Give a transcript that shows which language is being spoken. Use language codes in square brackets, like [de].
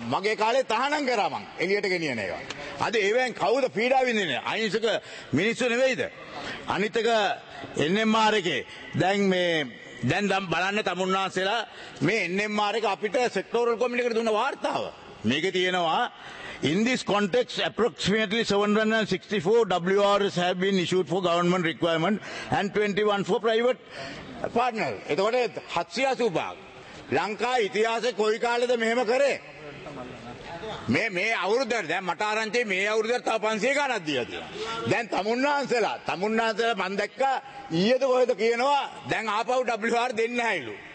[si] මගේ කාලේ තහනම් කරා මං එළියට ගෙනියන ඒවා. අද ඒවෙන් කවුද පීඩා විඳින්නේ? අහිංසක මිනිස්සු නෙවෙයිද? අනිත් එක NMR එකේ දැන් මේ දැන් බලන්න තමුන්නාසලා මේ NMR එක අපිට සෙක්ටෝරල් කොමිටියකට දුන්න වාර්තාව. මේකේ තියෙනවා [en] in this context approximately 764 WRs have been issued for government requirement and 21 for private partner. [si] එතකොට 785ක් ලංකා ඉතිහාසෙ කොයි කාලෙද මෙහෙම කරේ? මේ අවුරුද්දට දැන් මට ආරංචි මේ අවුරුද්දට තව 500 ගණක් දීලා තියෙනවා. දැන් තමුන්නාන්සලා මන් දැක්ක ඊයේද කොහෙද කියනවා දැන් ආපහු WR දෙන්නේ නැහැලු.